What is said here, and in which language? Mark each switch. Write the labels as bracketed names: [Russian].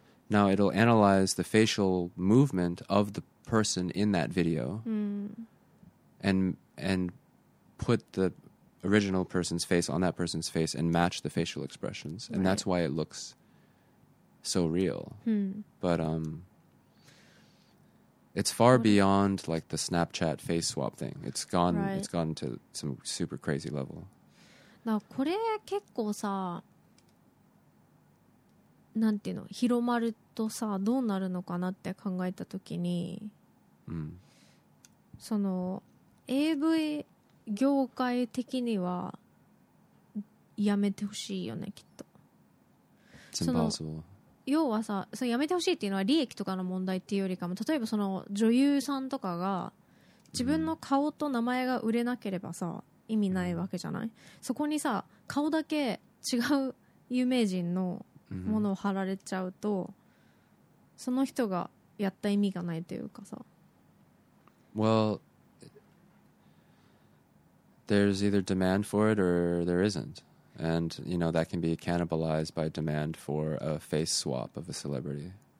[English] Now it'll analyze the facial movement of the person in that video and put the original person's face on that person's face and match the facial expressions. And that's why it looks so real. But it's far beyond like the Snapchat face swap thing. It's gone, it's gone to some super crazy level. [Japanese] だからこれ結構さ、なんていうの、広まるとさどうなるのかなって考えたときに、その AV 業界的にはやめてほしいよねきっと。その要はさ、そのやめてほしいっていうのは利益とかの問題っていうよりかも、例えばその女優さんとかが自分の顔と名前が売れなければさ、意味ないわけじゃない。そこにさ顔だけ違う有名人のものを貼られちゃうと、その人がやった意味がないというかさ。 [English] Well, there's either demand for it or there isn't. And you know that can be cannibalized by demand for a face swap of a celebrity.